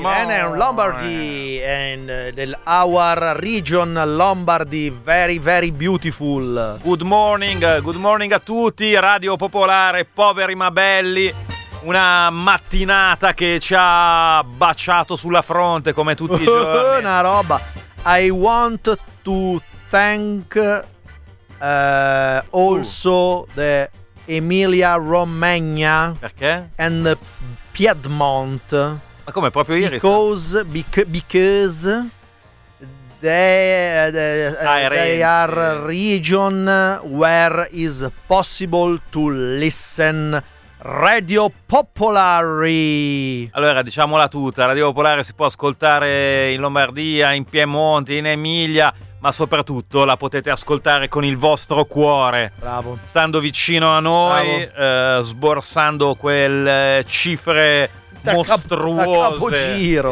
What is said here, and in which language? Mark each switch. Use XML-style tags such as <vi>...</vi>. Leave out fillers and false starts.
<en>Milan and Lombardy and our region Lombardy, very very beautiful. Good morning</en> <it>a tutti, Radio Popolare, poveri ma belli. Una mattinata che ci ha baciato sulla fronte come tutti i giorni. Una roba.</it> <en>I want to thank the Emilia Romagna and the Piedmont.</en> <it>Ma come, proprio ieri?</it> <en>Because they are region where is possible to listen Radio Popolare.</en> <it>Allora, diciamola tutta, Radio Popolare si può ascoltare in Lombardia, in Piemonte, in Emilia, ma soprattutto la potete ascoltare con il vostro cuore. Bravo. Stando vicino a noi, sborsando quelle cifre mostruose da capogiro.</it>